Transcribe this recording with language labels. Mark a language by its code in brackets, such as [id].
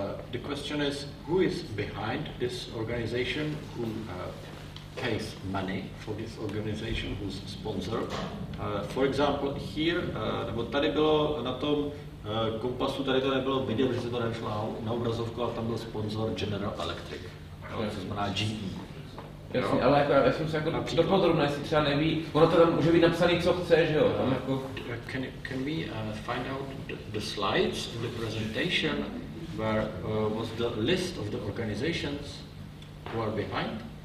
[en] The question is, who is behind this organization, who pays money for this organization, who's sponsor? For example, [cs] here, nebo tady bylo na tom kompasu, tady to nebylo vidět, že se to nešlo na obrazovku, ale tam byl sponsor General Electric, co znamená GE. Jasně, ale jako, já jsem se jako dopodrobně, jestli třeba neví, ono to tam může být napsané, co chce, že jo? Tam jako... [en] Can we find out the slides in the presentation where was the list of the organizations who are behind?